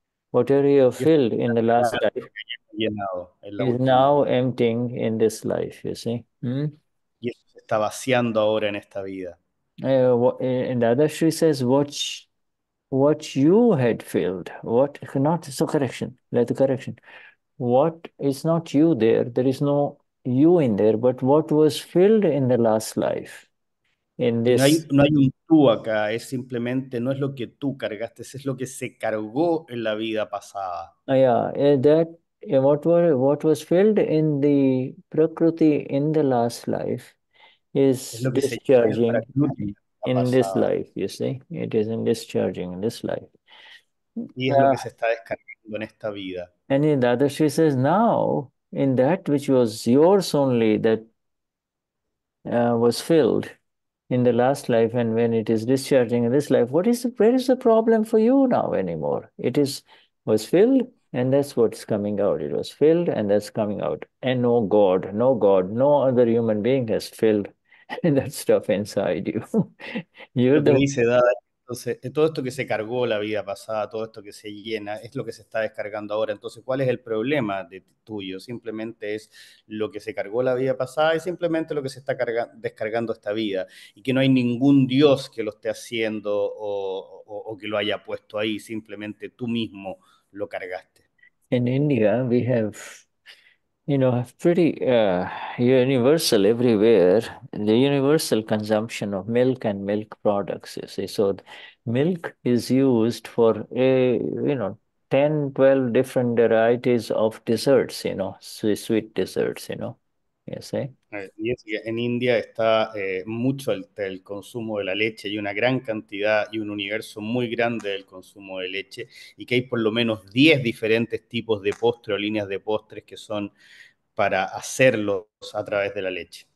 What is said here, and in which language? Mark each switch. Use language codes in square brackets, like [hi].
[en] Whatever you have filled in the last life, [es] Llenado en la [en] is [es] última [en] now [es] vida. [en] emptying in this life. You see. [es] Y eso se está vaciando ahora en esta vida. [en] And Dada Shri says, watch. What you had filled, what not, so correction, let the correction. What is not you there, there is no you in there, but what was filled in the last life, in [es] Y [en] this. [es] no hay un tú acá, es simplemente no es lo que tú cargaste, es lo que se cargó en la vida pasada. [en] That what was filled in the prakriti in the last life [es] Es [en] is [es] lo que se echó en [en] discharging. [es] la práctica [en] In this [es] pasada. [en] life, you see, it is in discharging in this life. [es] Y es lo que se está descargando en esta vida. [en] And in the other, she says, now in that which was yours only, that was filled in the last life, and when it is discharging in this life, where is the problem for you now anymore? It is was filled, and that's what's coming out. It was filled, and that's coming out. And no God, no other human being has filled. And that stuff inside you. You're [es] Lo que [en] the [es] dice Dada, Entonces, todo esto que se cargó la vida pasada, todo esto que se llena, es lo que se está descargando ahora. Entonces, ¿cuál es el problema de tuyo? Simplemente es lo que se cargó la vida pasada y simplemente lo que se está descargando esta vida. Y que no hay ningún Dios que lo esté haciendo o que lo haya puesto ahí, simplemente tú mismo lo cargaste. [en] In India, we have, pretty universal everywhere, the universal consumption of milk and milk products, you see. So milk is used for, 10, 12 different varieties of desserts, sweet desserts, you see. [es] En India está mucho el consumo de la leche y una gran cantidad y un universo muy grande del consumo de leche y que hay por lo menos 10 diferentes tipos de postre o líneas de postres que son para hacerlos a través de la leche.